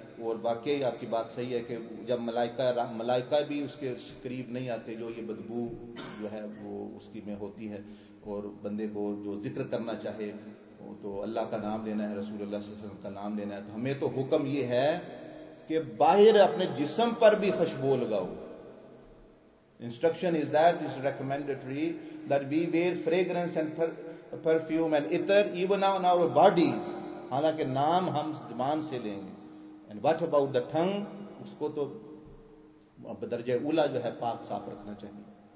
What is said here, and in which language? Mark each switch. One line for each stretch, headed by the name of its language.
Urdu: اور واقعی آپ کی بات صحیح ہے کہ جب ملائکہ بھی اس کے قریب نہیں آتے, جو یہ بدبو جو ہے وہ اس کی میں ہوتی ہے, اور بندے کو جو ذکر کرنا چاہے تو اللہ کا نام لینا ہے, رسول اللہ صلی اللہ علیہ وسلم کا نام لینا ہے. تو ہمیں تو حکم یہ ہے کہ باہر اپنے جسم پر بھی خوشبو لگاؤ.
English: Instruction is that it's recommendatory that we wear fragrance and perfume and itar even on our bodies.
Urdu: حالانکہ نام ہم زبان سے لیں گے.
English: and what about the tongue,
Urdu: اس کو تو بدرجہ اولا جو ہے پاک صاف رکھنا چاہیے.